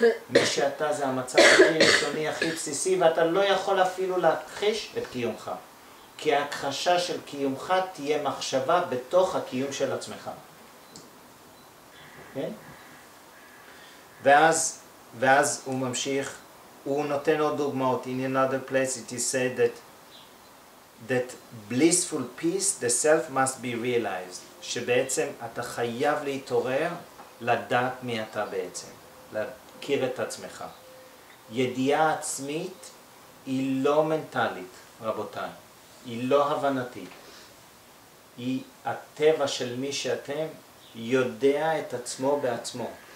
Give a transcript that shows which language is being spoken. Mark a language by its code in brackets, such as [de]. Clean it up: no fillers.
[he] מי שאתה זה המצב הכי ראשוני, הכי בסיסי, ואתה לא יכול אפילו להכחיש את קיומך. כי ההכחשה של קיומך תהיה מחשבה בתוך הקיום של עצמך. כן? ואז הוא ממשיך, הוא נותן עוד דוגמאות. [en] In another place it is said that blissful peace, the self must be realized. [he] שבעצם אתה חייב להתעורר לדעת מי אתה בעצם. להכיר את עצמך. ידיעה עצמית היא לא מנטלית, רבותיי. היא לא הבנתית. היא הטבע של מי שאתם יודע את עצמו בעצמו.